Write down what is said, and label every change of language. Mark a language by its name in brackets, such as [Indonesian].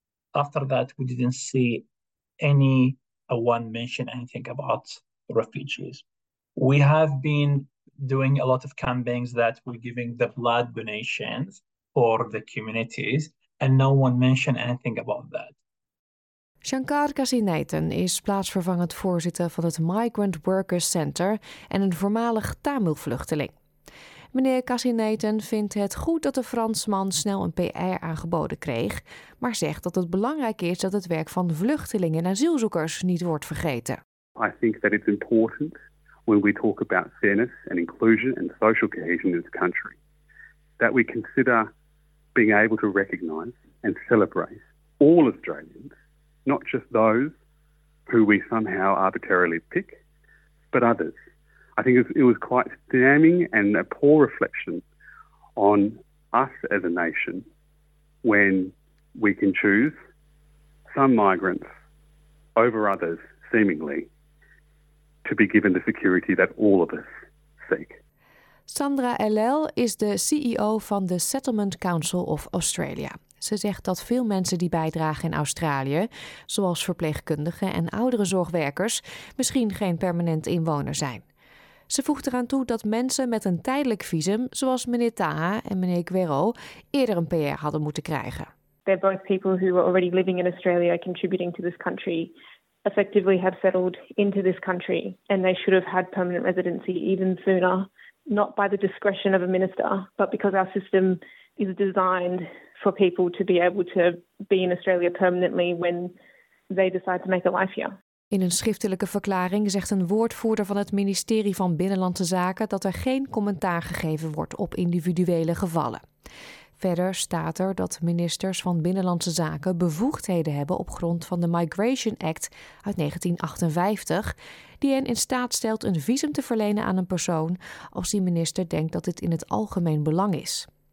[English] After that, we didn't see anyone mention anything about refugees. We have been doing a lot of campaigns that we're giving the blood donations for the communities, and no one mentioned anything about that. [Dutch] Shankar Kasinaiten is plaatsvervangend voorzitter van het Migrant Workers Center en een voormalig Tamil vluchteling. Meneer Kasinaiten vindt het goed dat de Fransman snel een PR aangeboden kreeg, maar zegt dat het belangrijk is dat het werk van vluchtelingen en asielzoekers niet wordt vergeten. [English] I think that it's important when we talk about fairness and inclusion and social cohesion in this country, that we consider being able to recognise and celebrate all Australians, not just those who we somehow arbitrarily pick, but others. I think it was quite damning and a poor reflection on us as a nation when we can choose some migrants over others, seemingly, to be given the security that all of us seek. [Dutch] Sandra Ellel is de CEO van de Settlement Council of Australia. Ze zegt dat veel mensen die bijdragen in Australië, zoals verpleegkundigen en oudere zorgwerkers, misschien geen permanent inwoner zijn. Ze voegt eraan toe dat mensen met een tijdelijk visum, zoals meneer Taha en meneer Guerro, eerder een PR hadden moeten krijgen. [English] They're both people who are already living in Australia, contributing to this country, effectively have settled into this country, and they should have had permanent residency even sooner, not by the discretion of a minister, but because our system is designed for people to be able to be in Australia permanently when they decide to make a life here. [Dutch] In een schriftelijke verklaring zegt een woordvoerder van het ministerie van Binnenlandse Zaken dat er geen commentaar gegeven wordt op individuele gevallen. Verder staat er dat ministers van Binnenlandse Zaken bevoegdheden hebben op grond van de Migration Act uit 1958, die hen in staat stelt een visum te verlenen aan een persoon als die minister denkt dat dit in het algemeen belang is.